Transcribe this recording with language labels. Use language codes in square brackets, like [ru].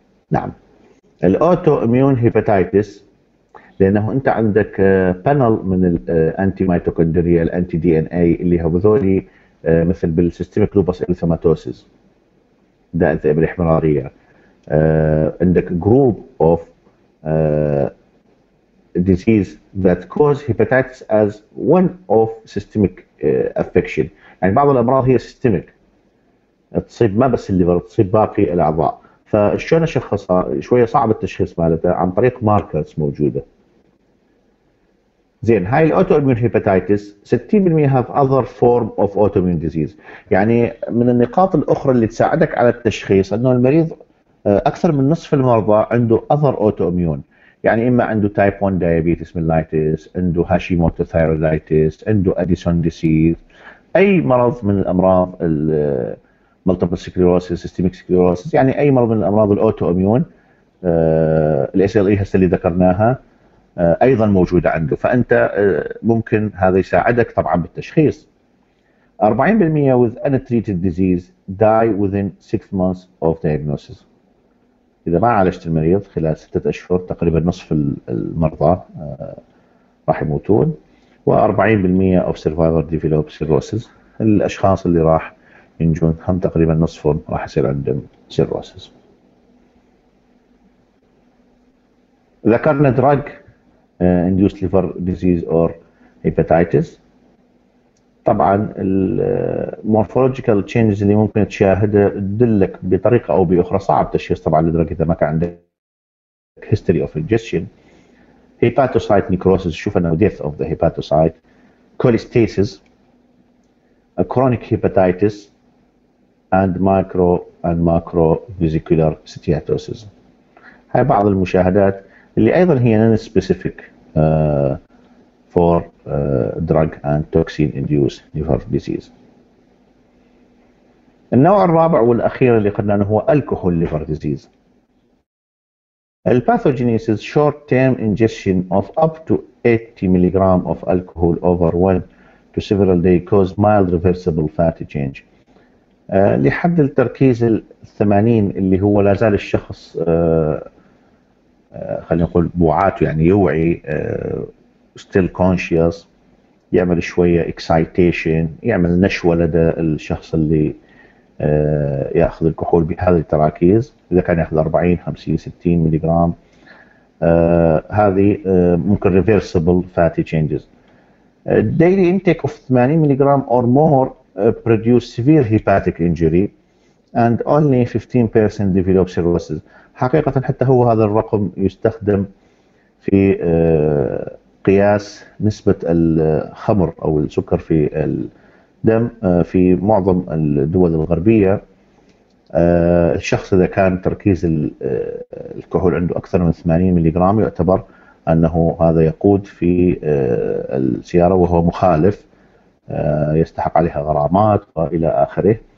[ar] نعم الاوتو اميون هيباتيتس لانه انت عندك بانل من الانتي ميتوكوندريا الانتي دي ان اي اللي هذول مثل بالسيستميك لوبس إريثيماتوسيس داء الذئب الاحمراريه، عندك جروب اوف [en] disease that cause hepatitis as one of systemic affection. [ar] يعني بعض الأمراض هي systemic تصيب ما بس الليفر تصيب باقي الأعضاء، فشلون أشخصها؟ شوية صعب التشخيص مالتها عن طريق ماركرز موجودة. زين هاي [en] الأوتوميون hepatitis 60% have other form of autoimmune disease. [ar] يعني من النقاط الأخرى اللي تساعدك على التشخيص أنه المريض أكثر من نصف المرضى عنده [en] other autoimmune، [ar] يعني إما عنده type 1 diabetes mellitus، عنده Hashimoto thyroiditis، عنده Addison disease، أي مرض من الأمراض الـ multiple sclerosis، systemic sclerosis، يعني أي مرض من الأمراض الأوتوأميون الـ SLE هسه اللي ذكرناها أيضا موجودة عنده، فأنت ممكن هذا يساعدك طبعا بالتشخيص. [en] 40% with untreated disease die within 6 months of diagnosis. [ar] إذا ما عالجت المريض خلال 6 أشهر تقريبا نصف المرضى راح يموتون. و [en] 40% of survivor develop cirrhosis، [ar] الأشخاص اللي راح ينجون هم تقريبا نصفهم راح يصير عندهم cirrhosis. ذكرنا [en] drug induced liver disease or hepatitis. [ar] طبعا المورفولوجيكال تشينجز اللي ممكن تشاهدها تدلك بطريقه او باخرى، صعب تشخيص طبعا لدرجه اذا ما كان عندك هيستوري اوف انجستشن، هيباتوسايت نيكروسيس، شوف انا ديث اوف ذا هيباتوسايت، كوليستاسيس، كرونيك هيباتايتس، اند مايكرو اند ماكرو فيزيكولار ستياتوسيس. هاي بعض المشاهدات اللي ايضا هي نون سبيسيفيك [en] for drug and toxin induced liver disease. [ar] النوع الرابع والأخير اللي قلنا هو alcohol liver disease. [en] The pathogenesis short term ingestion of up to 80 milligrams of alcohol over 1 to several days cause mild reversible fat change. [ar] لحد التركيز الثمانين اللي هو لا زال الشخص خلينا نقول بوعاته يعني يوعي [en] still conscious، [ar] يعمل شوية excitation، يعمل نشوة لدى الشخص اللي يأخذ الكحول بهذه التراكيز، إذا كان يأخذ 40 50 60 ميلي جرام هذه ممكن [en] reversible fatty changes. Daily intake of 80 milligram or more produce severe hepatic injury and only 15% develop cirrhosis. [ar] حقيقة حتى هو هذا الرقم يستخدم في قياس نسبة الخمر أو السكر في الدم في معظم الدول الغربية. الشخص إذا كان تركيز الكحول عنده أكثر من 80 ميلي جرام يعتبر أنه هذا يقود في السيارة وهو مخالف، يستحق عليها غرامات وإلى آخره.